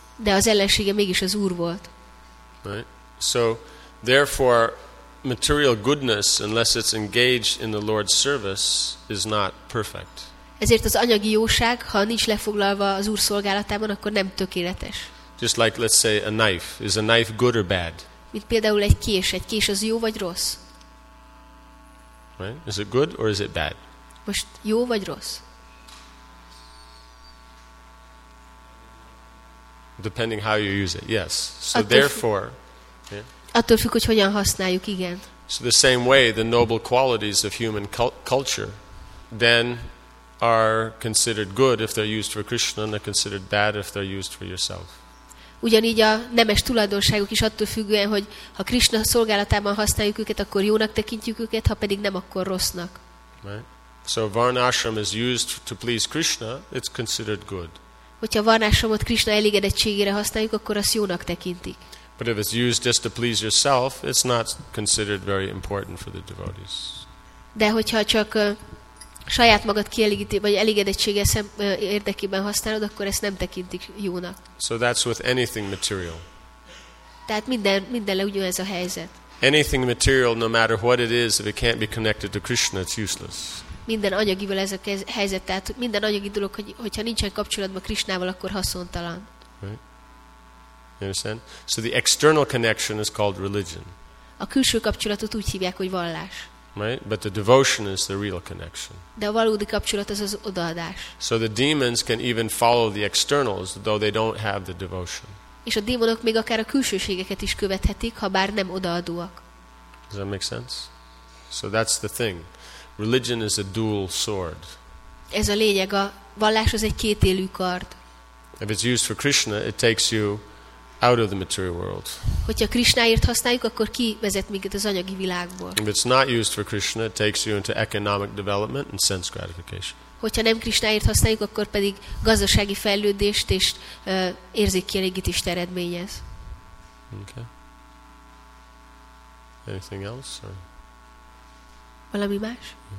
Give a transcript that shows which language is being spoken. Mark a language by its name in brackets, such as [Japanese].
[Hungarian] De az ellensége mégis az Úr volt. [English] Right? So therefore material goodness unless it's engaged in the Lord's service is not perfect. [Hungarian] Ezért az anyagi jóság, ha nincs lefoglalva az Úr szolgálatában, akkor nem tökéletes. [English] Just like let's say a knife, is a knife good or bad? [Hungarian] Mint például egy kés az jó vagy rossz? [English] Right? Is it good or is it bad? [Hungarian] Most jó vagy rossz? [English] Depending how you use it. Yes. So therefore. [Hungarian] Attól függ, hogy hogyan használjuk, igen. [English] So the same way the noble qualities of human culture then are considered good if they're used for Krishna and are considered bad if they're used for yourself. [Hungarian] Ugyanígy a nemes tulajdonságok is attól függően, hogy ha Krishna szolgálatában használjuk őket, akkor jónak tekintjük őket, ha pedig nem, akkor rossznak. [English] Right. So varnashram is used to please Krishna, it's considered good. [Hungarian] Hogyha varnashramot Krishna elégedettségére használjuk, akkor azt jónak tekintik. [English] But if it's used just to please yourself, it's not considered very important for the devotees. [Hungarian] De hogyha csak saját magad kielégítő vagy elégedettsége érdekében használod, akkor ezt nem tekintik jónak. [English] So that's with anything material. [Hungarian] Tehát minden le ugyanez a helyzet. [English] Anything material, no matter what it is, if it can't be connected to Krishna, it's useless. [Hungarian] Minden anyagival ez a helyzet, tehát minden anyagi dolog, hogyha nincsen kapcsolatban Krishnával, akkor haszontalan. [English] Right? You understand? So the external connection is called religion. [Hungarian] A külső kapcsolatot úgy hívják, hogy vallás. [English] Right? But the devotion is the real connection. [Hungarian] De a valódi kapcsolat az odaadás. [English] So the demons can even follow the externals, though they don't have the devotion. [Hungarian] És a démonok még akár a külsőségeket is követhetik, ha bár nem odaadóak. [English] Does that make sense? So that's the thing. Religion is a dual sword. [Hungarian] Ez a lényeg, a vallás az egy kétélű kard. [English] If it's used for Krishna, it takes you out of the material world. [Hungarian] Hogyha Krishnáért használjuk, akkor ki vezet minket az anyagi világból. [English] If it's not used for Krishna, it takes you into economic development and sense gratification. [Hungarian] Hogyha nem Krishnáért használjuk, akkor pedig gazdasági fejlődést és érzékkielégítést eredményez. [English] Okay. Anything else? Or? [Hungarian] Valami más?